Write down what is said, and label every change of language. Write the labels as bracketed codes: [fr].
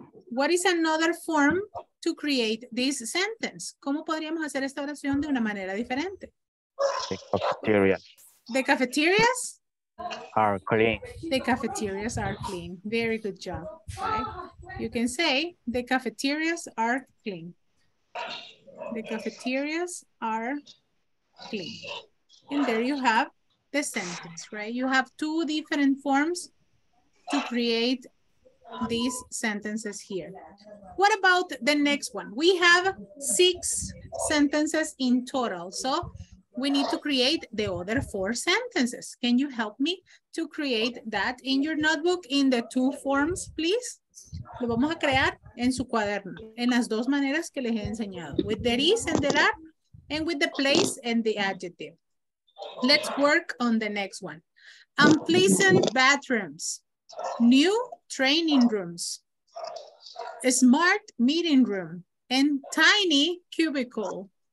[en] What is another form to create this sentence? [es] ¿Cómo podríamos hacer esta oración de una manera diferente? [en] The cafeterias. The cafeterias? Are clean. The cafeterias are clean. Very good job. Okay. You can say, the cafeterias are clean. The cafeterias are clean. And there you have the sentence, right? You have two different forms to create these sentences here. What about the next one? We have six sentences in total. So we need to create the other four sentences. Can you help me to create that in your notebook in the two forms, please? [es] Lo vamos a crear en su cuaderno, en las dos maneras que les he enseñado. [en] With there is and there are, and with the place and the adjective. Let's work on the next one. Unpleasant bathrooms, new training rooms, a smart meeting room, and tiny cubicle.